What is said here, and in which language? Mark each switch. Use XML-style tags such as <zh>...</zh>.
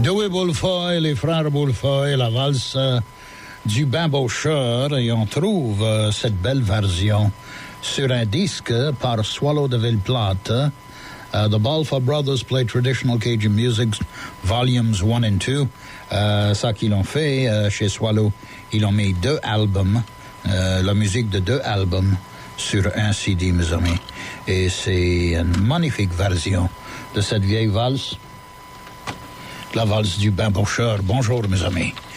<fr>Bullfoy, les frères Bullfoy, la valse du Bimbocheur, et on trouve cette belle version sur un disque par Swallow de Villeplate.</fr> <en>The Balfour Brothers play traditional Cajun music, volumes 1 and 2.</en> <fr>Ça qu'ils ont fait chez Swallow, ils ont mis deux albums, la musique de deux albums sur un CD, mes amis. Et c'est une magnifique version de cette vieille valse, la valse du Bimbocheur. Bonjour, mes amis.</fr>